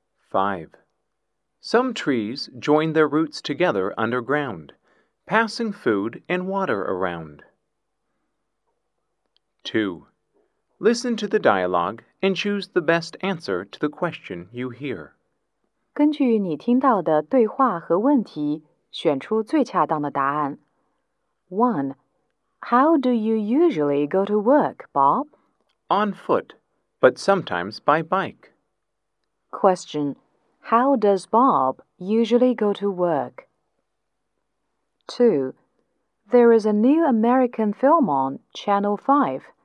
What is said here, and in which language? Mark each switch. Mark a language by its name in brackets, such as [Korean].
[English] 5. Some trees join their roots together underground, passing food and water around. 2. Listen to the dialogue and choose the best answer to the question you hear. [Chinese] 根据你听到的对话和问题，选出最恰当的答案。 [English] 1. How do you usually go to work, Bob? On foot, but sometimes by bike. Question. How does Bob usually go to work? 2. There is a new American film on Channel 5.